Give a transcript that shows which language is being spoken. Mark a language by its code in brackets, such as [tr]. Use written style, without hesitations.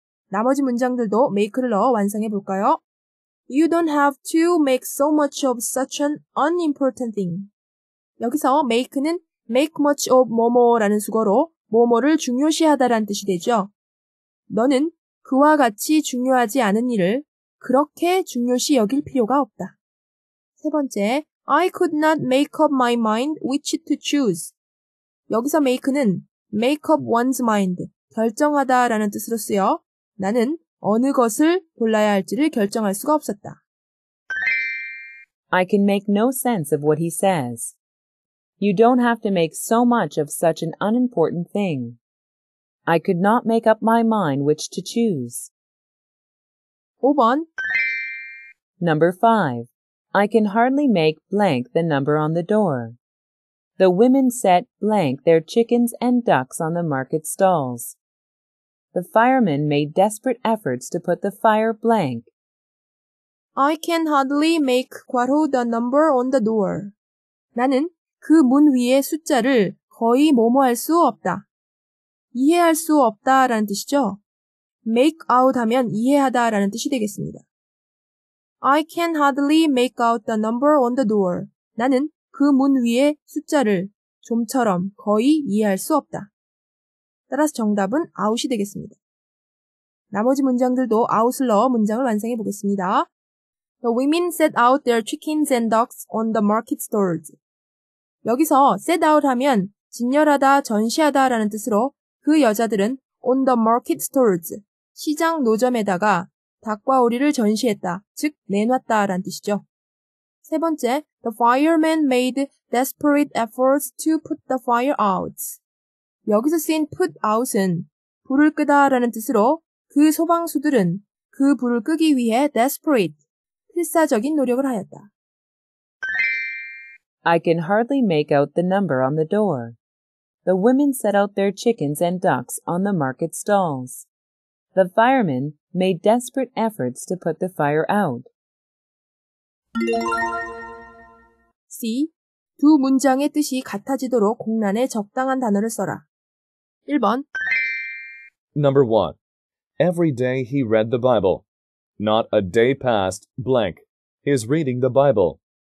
[ko] 나머지 문장들도 make를 넣어 완성해 볼까요? [en] You don't have to make so much of such an unimportant thing. [ko] 여기서 make는 [en] make much of [ko] 뭐뭐라는 수거로 뭐뭐를 중요시하다라는 뜻이 되죠. 너는 그와 같이 중요하지 않은 일을 그렇게 중요시 여길 필요가 없다. 세 번째, [en] I could not make up my mind which to choose. [ko] 여기서 make는 [en] make up one's mind, [ko] 결정하다 라는 뜻으로 쓰여 나는 어느 것을 골라야 할지를 결정할 수가 없었다. [en] I can make no sense of what he says. You don't have to make so much of such an unimportant thing. I could not make up my mind which to choose. [ko] 5번. [en] Number 5. I can hardly make blank the number on the door. The women set blank their chickens and ducks on the market stalls. The firemen made desperate efforts to put the fire blank. I can hardly make 괄호 the number on the door. [ko] 나는 그 문 위에 숫자를 거의 뭐뭐할 수 없다. 이해할 수 없다라는 뜻이죠. [en] make out [ko] 하면 이해하다라는 뜻이 되겠습니다. [en] I can hardly make out the number on the door. [ko] 나는 그 문 위에 숫자를 좀처럼 거의 이해할 수 없다. 따라서 정답은 out이 되겠습니다. 나머지 문장들도 out을 넣어 문장을 완성해 보겠습니다. [en] The women set out their chickens and ducks on the market stalls. [ko] 여기서 [en] set out [ko] 하면 진열하다, 전시하다 라는 뜻으로 그 여자들은 [en] on the market stalls, [ko] 시장 노점에다가 닭과 오리를 전시했다, 즉 내놨다라는 뜻이죠. 세 번째, [en] the firemen made desperate efforts to put the fire out. [ko] 여기서 쓰인 [en] put out [ko] 은 불을 끄다라는 뜻으로 그 소방수들은 그 불을 끄기 위해 desperate, 필사적인 노력을 하였다. [en] I can hardly make out the number on the door. The women set out their chickens and ducks on the market stalls. The firemen made desperate efforts to put the fire out. C. [ko] 두 문장의 뜻이 같아지도록 공란에 적당한 단어를 써라. 1번. [en] Number 1. Every day he read the Bible. Not a day passed, blank. His reading the Bible.